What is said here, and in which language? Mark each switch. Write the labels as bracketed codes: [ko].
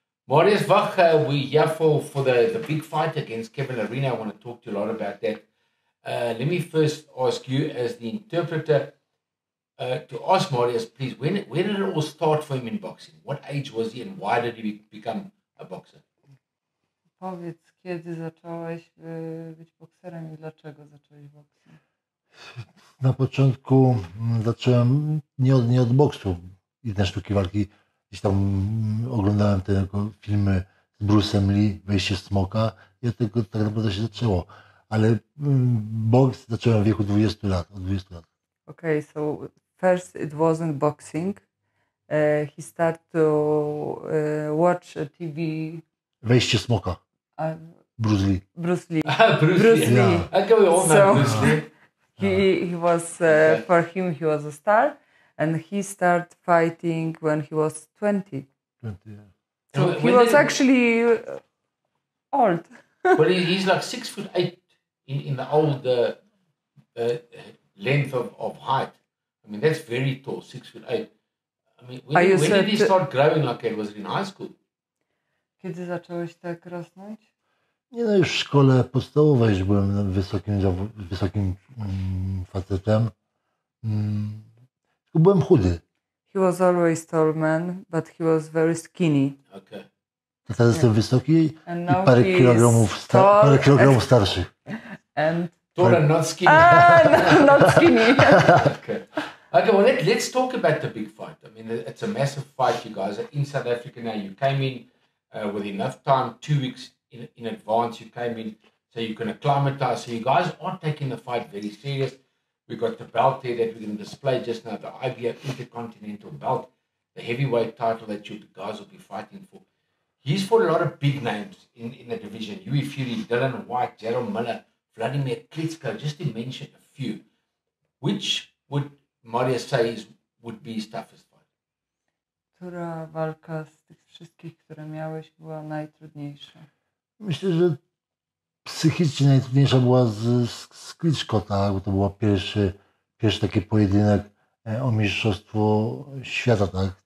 [en] Mariusz Wach, we're here for the big fight against Kevin Lerena. I want to talk to you a lot about that. Let me first ask you, as the interpreter, to ask Mariusz, please, when did it all start for him in boxing? What age was he and why did he become a boxer? [pl] Powiedz, kiedy zacząłeś być bokserem i dlaczego zacząłeś boksem? Na początku zacząłem nie od boksu, jedne sztuki walki. Gdzieś tam oglądałem te filmy z Bruce'em Lee, Wejście Smoka i od tego tak naprawdę się zaczęło. Ale boks zacząłem w wieku 20 lat, od 20 lat. [en] Okay, so first it wasn't boxing. He started to watch a TV. [pl] Wejście Smoka. Bruce Lee. [en] Bruce Lee. Bruce Lee. Yeah. I can we all know Bruce Lee. He was, for him, he was a star. And he started fighting when he was 20. 20, yeah. So he was actually old. But he's like 6'8" in the old length of height. I mean, that's very tall, 6'8". I mean, when did he start growing like that? Was it in high school? [pl] Kiedy zacząłeś tak rosnąć? Nie, no już w szkole podstawowej, że byłem wysokim facetem. Tylko byłem chudy. [en] He was always tall man, but he was very skinny. Okay. [pl] To teraz jestem wysoki i parę kilogramów starszy. [en] And tall and not skinny. Not skinny. Okay, well let's talk about the big fight. I mean, it's a massive fight, you guys. In South Africa now, you came in with enough time, 2 weeks in advance you came in, so you can acclimatize. So you guys are taking the fight very serious. We've got the belt here that we're going to display just now, the IBF Intercontinental belt, the heavyweight title that you guys will be fighting for. He's fought a lot of big names in the division. Yui Fury, Dylan White, Gerald Miller, Vladimir Klitschko, just to mention a few. Which would Mariusz say would be his toughest fight? [pl] Która walka z tych wszystkich, które miałeś, była najtrudniejsza? Myślę, że psychicznie najtrudniejsza była z Klitschko, tak? Bo to był pierwszy taki pojedynek o mistrzostwo świata, tak?